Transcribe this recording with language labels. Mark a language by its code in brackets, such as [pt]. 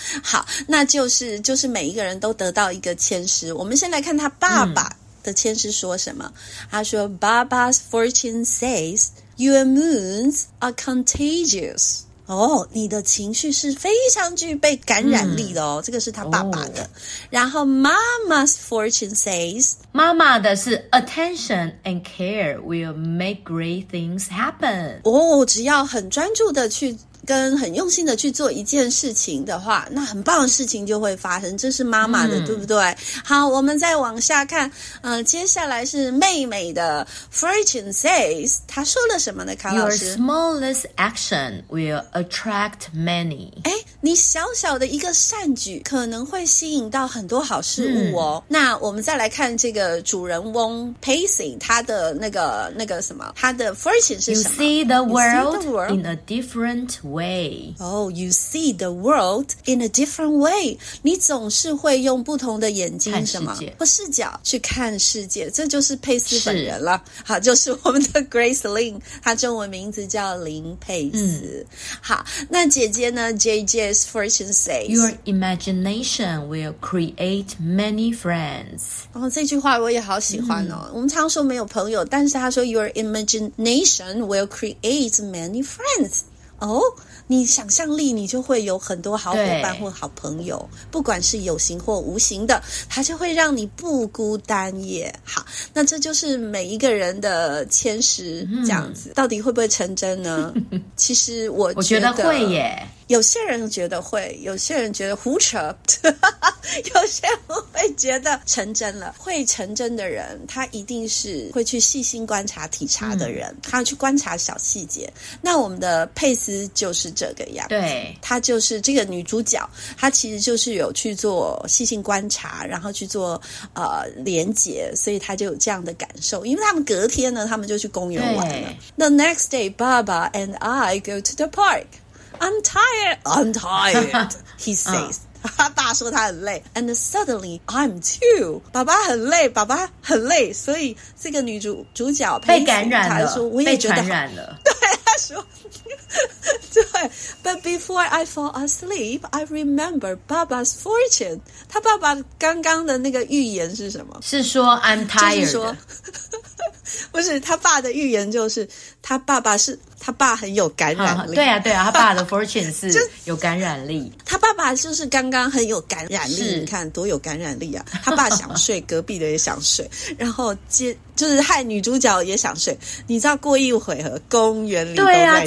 [zh] 好，那就是每一个人都得到一个签诗。我们先来看他爸爸的签诗说什么。他说 [en] Baba's fortune says Your moods are contagious。 [zh] 哦，你的情绪是非常具备感染力的哦。这个是他爸爸的。 [en] 然后 Mama's fortune says， [zh] 妈妈的是 [en] Attention and care will make great things happen。 [zh] 哦，只要很专注的去跟很用心的去做一件事情的话，那很棒的事情就会发生，这是妈妈的，对不对？好，我们再往下看。接下来是妹妹的 Fortune says， 她说了什么呢？卡老师， [en] Your smallest action will attract many。 [zh] 你小小的一个善举可能会吸引到很多好事物哦。那我们再来看这个主人翁 Pacing， 她的那个什么，她的 Fortune 是什么？ [en] You see the world in a different way。 You see the world in a different way。 [zh] 你总是会用不同的眼睛什么或视角去看世界。这就是佩斯本人了。好，就是我们的 Grace Lin， 她中文名字叫林佩斯。好，那姐姐呢， [en] JJ's fortune says Your imagination will create many friends。 [zh] 这句话我也好喜欢哦。我们常说没有朋友，但是她说 [en] Your imagination will create many friends。 [zh] 你想象力，你就会有很多好伙伴或好朋友，不管是有形或无形的，它就会让你不孤单耶。好，那这就是每一个人的签诗这样子。到底会不会成真呢？其实我觉得会耶。有些人觉得会，有些人觉得胡扯，有些人会觉得成真了。会成真的人，他一定是会去细心观察体察的人，他要去观察小细节。那我们的佩斯就是这个样子。对，他就是这个女主角，她其实就是有去做细心观察，然后去做连结，所以她就有这样的感受。因为他们隔天呢，他们就去公园玩了。 [en] The next day, Baba and I go to the park. I'm tired, he says. [zh] 他爸说他很累。 [en] And suddenly, I'm too. [zh] 爸爸很累。所以这个女主角被感染了。她说我也觉得。被感染了。对，她说对 [en] But before I fall asleep I remember [zh] 爸爸 's fortune 他爸爸刚刚的那个预言是什么是说 [en] I'm tired [zh] 就是说不是他爸的预言就是他爸爸是他爸很有感染力对啊对啊他爸的 fortune 是有感染力他爸爸就是刚刚很有感染力你看多有感染力啊他爸想睡隔壁的也想睡然后就是害女主角也想睡你知道过一回合公园里都在睡